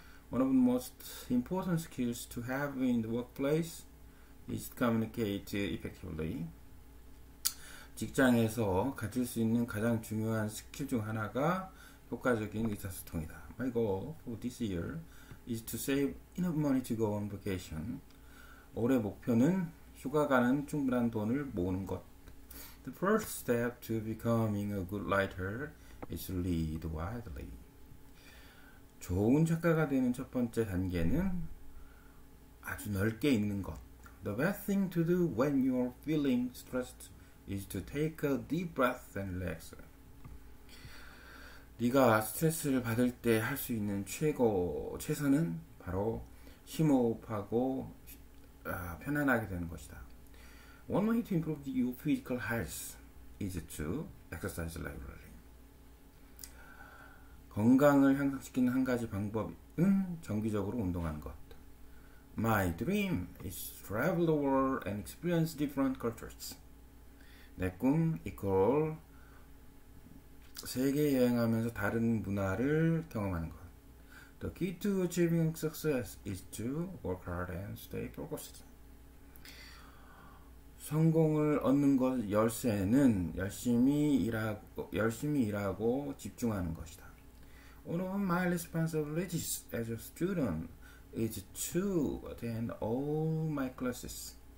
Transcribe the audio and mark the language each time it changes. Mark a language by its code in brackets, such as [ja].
[en] One of the most important skills to have in the workplace is to communicate effectively. [ko] 직장에서 가질 수 있는 가장 중요한 스킬 중 하나가 효과적인 의사소통이다. [en] My goal for this year is to save enough money to go on vacation. [ko] 올해 목표는 휴가 가는 충분한 돈을 모으는 것. [en] The first step to becoming a good writer is to read widely. [ko] 좋은 작가가 되는 첫 번째 단계는 아주 넓게 읽는 것. [en] The best thing to do when you're feeling stressed is to take a deep breath and relax. [ko] 네가 스트레스를 받을 때할수 있는 최선은 바로 심호흡하고 편안하게 되는 것이다. [en] One way to improve your physical health is to exercise regularly. [ko] 건강을 향상시키는 한 가지 방법은 정기적으로 운동하는 것. [en] My dream is to travel the world and experience different cultures. [ko] 내꿈 equal 세계 여행하면서 다른 문화를 경험하는 것. [en] The key to achieving success is to work hard and stay focused. [ko] 성공을 얻는 것 열쇠는 열심히 일하고 집중하는 것이다. [en] One of my responsibilities as a student is to attend all my classes.